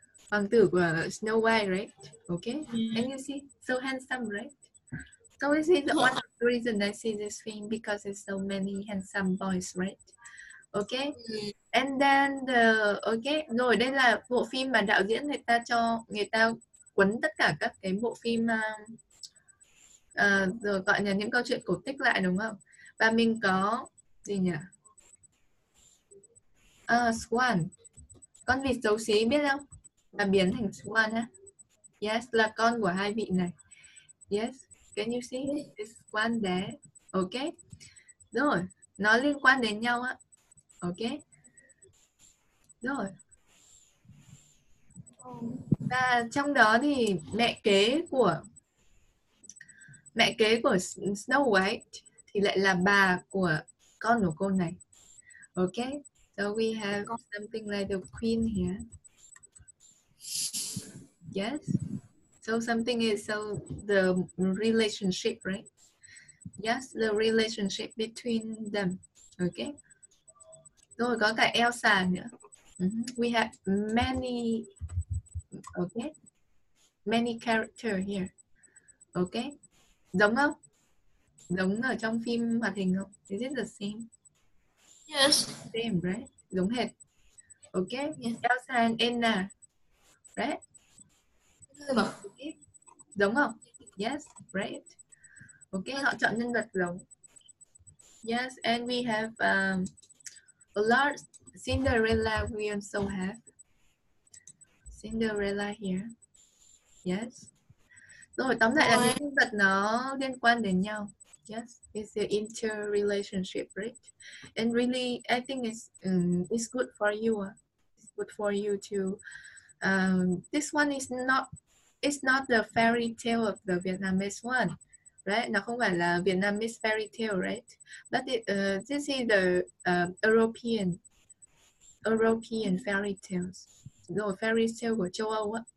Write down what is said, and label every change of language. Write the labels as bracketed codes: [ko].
[vi] Hoàng tử của Snow White, right? [en] Okay. Yeah. And you see, so handsome, right? So this is one of the reasons I see this film, because there's so many handsome boys, right? Okay. Yeah. [vi] And then the okay, rồi đây là bộ phim mà đạo diễn người ta cho người ta quấn tất cả các cái bộ phim rồi gọi là những câu chuyện cổ tích lại đúng không? Và mình có gì nhỉ? Swan. Con vịt xấu xí biết không? Và biến thành Swan ha. Yes, là con của hai vị này. [en] Yes, can you see this Swan there? Okay. [vi] Rồi, nó liên quan đến nhau á. Okay. Rồi. Và trong đó thì mẹ kế của Snow White thì lại là bà của con của cô này. [en] Okay. So we have something like the queen here. Yes. So something is so the relationship, right? Yes, the relationship between them. Okay. [vi] Rồi có cả Elsa nữa. [en] We have many, okay, many character here. Okay. [vi] Giống không? Giống ở trong phim hoạt hình không? [en] Is it the same? Yes. Same, right? [vi] Giống hệt. [en] Okay. Yes. Elsa and Anna. Right? Okay. [vi] Giống không? [en] Yes, right. [vi] Okay, họ chọn nhân vật giống. [en] Yes, and we have a large Cinderella, we also have. Cinderella here. Yes. [vi] Rồi, tóm lại là những nhân vật nó liên quan đến nhau. [en] Yes, it's the interrelationship, right? And really, I think it's good for you. It's good for you to... this one is not, it's not the fairy tale of the Vietnamese one, right? [vi] Nó không phải là Vietnamese fairy tale, [en] right? But it, this is the European fairy tales, no fairy tale [vi] của châu Âu.